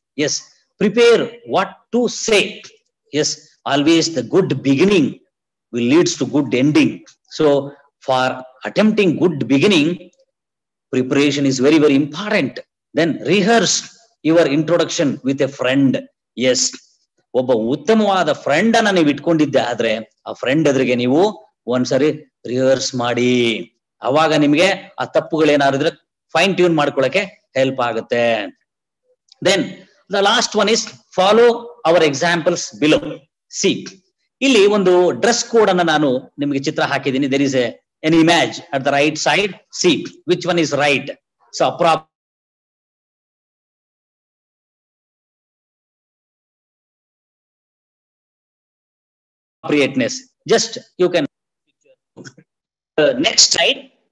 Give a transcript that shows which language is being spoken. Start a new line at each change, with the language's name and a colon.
English: Yes, prepare what to say. Yes, always the good beginning will leads to good ending. So for attempting good beginning, preparation is very, very important. Then rehearse your introduction with a friend.
Kannada: Yes, ಒಬ್ಬ ಉತ್ತಮವಾದ friend ಅನ್ನ ನೀವು ಇಟ್ಕೊಂಡಿದ್ದೆ ಆದ್ರೆ ಆ friend ಎದುರಿಗೆ ನೀವು ಒಂದ್ಸರಿ ರಿಹರ್ಸ್ ಮಾಡಿ, ಅವಾಗ ನಿಮಗೆ ಆ ತಪ್ಪುಗಳೇನಾದ್ರೆ ಫೈನ್ ಟ್ಯೂನ್ ಮಾಡ್ಕೊಳಕ್ಕೆ ಹೆಲ್ಪ್ ಆಗುತ್ತೆ.
English: Then the last one is follow our examples below.
Kannada: C, ಇಲ್ಲಿ ಒಂದು ಡ್ರೆಸ್ ಕೋಡ್ ಅನ್ನ ನಾನು ನಿಮಗೆ ಚಿತ್ರ ಹಾಕಿದ್ದೀನಿ.
English: There is a an image at the right side. See which one is right. So appropriateness, just you can next slide.